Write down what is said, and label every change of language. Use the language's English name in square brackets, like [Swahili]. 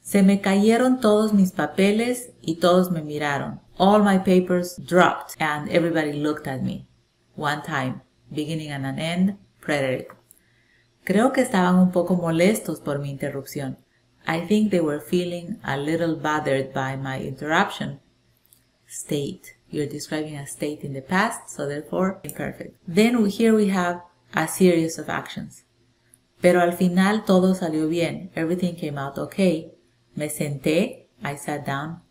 [Spanish] Se me cayeron todos mis papeles y todos me miraron. [English] All my papers dropped and everybody looked at me. One time, beginning and an end, preterite. [Spanish] Creo que estaban un poco molestos por mi interrupción. [English] I think they were feeling a little bothered by my interruption. State. You're describing a state in the past, so therefore, imperfect. Then here we have a series of actions. [Spanish] Pero al final todo salió bien. [English] Everything came out okay. [Spanish] Me senté. [English] I sat down.